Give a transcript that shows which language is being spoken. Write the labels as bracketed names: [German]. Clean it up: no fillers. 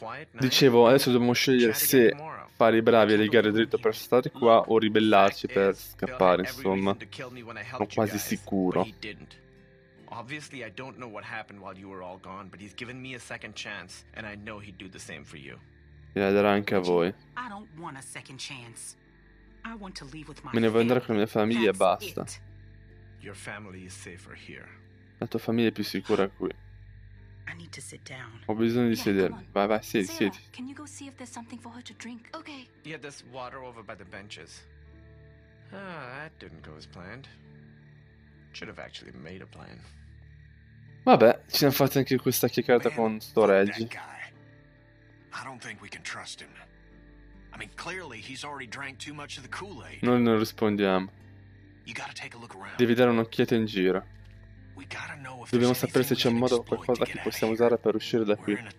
[Italian] Dicevo, adesso dobbiamo scegliere se fare i bravi e legare dritto per stare qua o ribellarci per scappare, insomma. Sono quasi sicuro. [English] Obviously I don't know what happened while you were all gone, but he's given me a second chance and I know he'd do the same for you. [Italian] E la darà anche a voi. [English] I don't want a second chance. [Italian] Me ne voglio andare con la mia famiglia e basta. [English] Your family is safer here. [Italian] La tua famiglia è più sicura qui. [English] I need to sit down. [Italian] Ho bisogno di sedermi. Vai, siediti. [English] Sarah, can you go see if there's something for her to drink? Okay. Yeah, there's water over by the benches. Ah, that didn't go as planned. Should have actually made a plan. [Italian] Vabbè, ci siamo fatti anche questa chiacchierata con sto Reggie. [English] I don't think we can trust him. I mean, clearly he's already drank too much of the Kool-Aid. [Italian] Noi non rispondiamo. [English] You gotta take a look around. [Italian] Devi dare un'occhiata in giro. Dobbiamo sapere se c'è un modo o qualcosa che possiamo usare per uscire da qui.